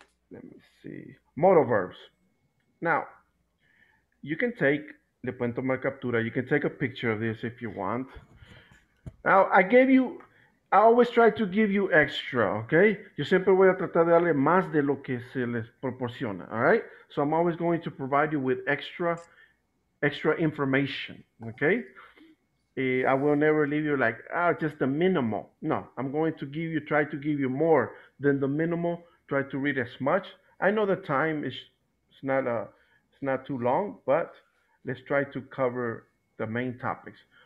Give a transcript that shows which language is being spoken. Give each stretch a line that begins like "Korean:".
English: let me see. Modal verbs. Now, you can take,
Spanish: le pueden tomar captura,
English: you can take a picture of this if you want. Now, I always try to give you extra, okay?
Spanish: Yo siempre voy a tratar de darle más de lo que se les proporciona,
English: all right? So I'm always going to provide you with extra information, okay? I will never leave you like, just the minimal. No, I'm going to try to give you more than the minimal. Try to read as much. I know the time is it's not too long, but let's try to cover the main topics.